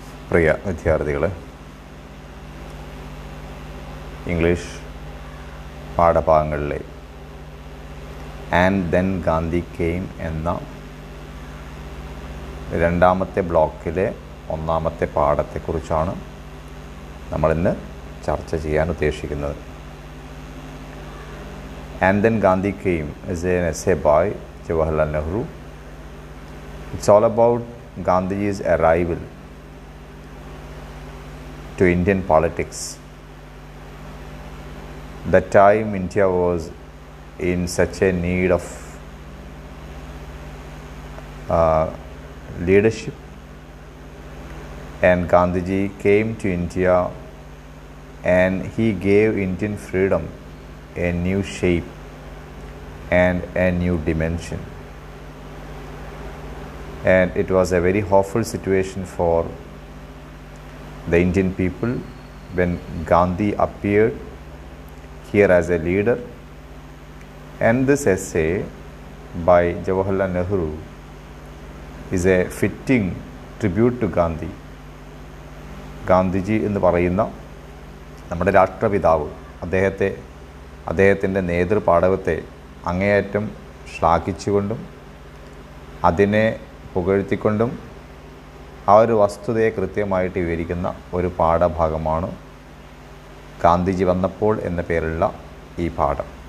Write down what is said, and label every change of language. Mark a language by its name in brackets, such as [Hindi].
[Malayalam] പ്രിയ വിദ്യാർത്ഥികളെ, English പാഠഭാഗങ്ങളിലെ and then Gandhi came എന്ന രണ്ടാമത്തെ ബ്ലോക്കിലെ ഒന്നാമത്തെ പാഠത്തെക്കുറിച്ചാണ് നമ്മളിന്ന് ചർച്ച ചെയ്യാൻ ഉദ്ദേശിക്കുന്നത്. [English] And then Gandhi came is a essay by Jawaharlal Nehru. It's all about Gandhiji's arrival to Indian politics. That time India was in such a need of leadership, and Gandhiji came to India and he gave Indian freedom a new shape and a new dimension. And it was a very hopeful situation for the Indian people when Gandhi appeared here as a leader. And this essay by Jawaharlal Nehru is a fitting tribute to Gandhi. [Malayalam] Gandhiji ennu parayunna nammude rashtrapithavu adheyathinte nethrupadavathe angeyattum shlakichukondum adine pugazhthikondum ആ ഒരു വസ്തുതയെ കൃത്യമായിട്ട് വിവരിക്കുന്ന ഒരു പാഠഭാഗമാണ് ഗാന്ധിജി വന്നപ്പോൾ എന്ന പേരുള്ള ഈ പാഠം.